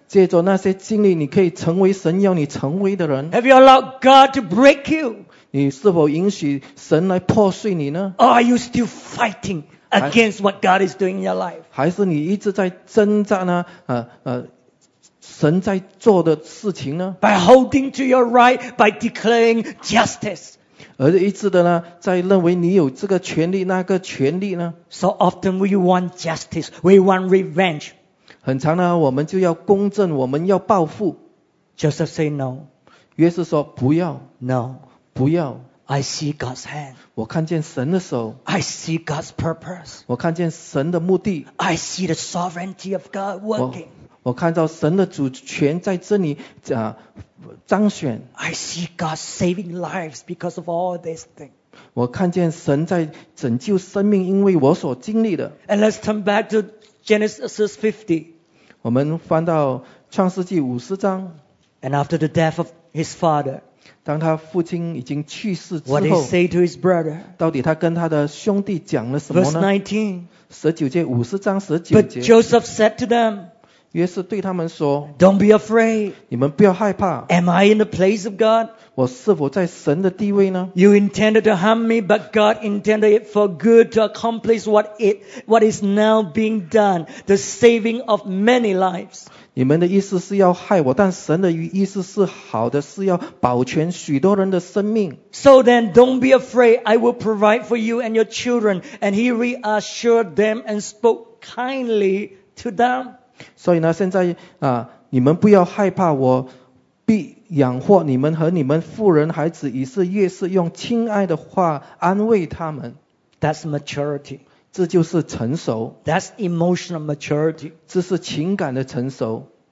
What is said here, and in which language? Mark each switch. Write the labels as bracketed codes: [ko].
[zh] 借着那些经历，你可以成为神要你成为的人。 [en] Have you allowed God to break you? [zh] 你是否允许神来破碎你呢？ [en] Or are you still fighting against what God is doing in your life? [zh] 还是你一直在挣扎呢？神在做的事情呢？ [en] By holding to your right, by declaring justice. [zh] 而一直的呢，在认为你有这个权利，那个权利呢？ [en] So often we want justice, we want revenge. [zh] 很常呢，我们就要公正，我们要报复。 [en] Joseph say no. [zh] 约瑟说不要。 [en] No. [zh] 不要。 [en] I see God's hand. [zh] 我看见神的手。 [en] I see God's purpose. [zh] 我看见神的目的。 [en] I see the sovereignty of God working. [zh] 我看到神的主权在这里彰显。 [en] I see God saving lives because of all these things. [zh] 我看见神在拯救生命，因为我所经历的。 [en] And let's turn back to Genesis 50. [zh] 我们翻到创世纪50章。 [en] And after the death of his father. [zh] 当他父亲已经去世之后 [en] What did he say to his brother? [zh] 到底他跟他的兄弟讲了什么呢 [en] Verse 19 [zh] 19节50章19节 [en] But Joseph said to them [zh] 约瑟对他们说 [en] Don't be afraid [zh] 你们不要害怕 [en] Am I in the place of God? [zh] 我是否在神的地位呢 [en] You intended to harm me But God intended it for good To accomplish what is now being done The saving of many lives [zh] 你们的意思是要害我，但神的意思是好的，是要保全许多人的生命。 [en] So then, don't be afraid. I will provide for you and your children. And he reassured them and spoke kindly to them. [zh] 所以呢，现在啊，你们不要害怕，我必养活你们和你们妇人孩子。于是越是用亲爱的话安慰他们。 [en] That's maturity. [zh] 这就是成熟 [en] That's emotional maturity. [zh] 这是情感的成熟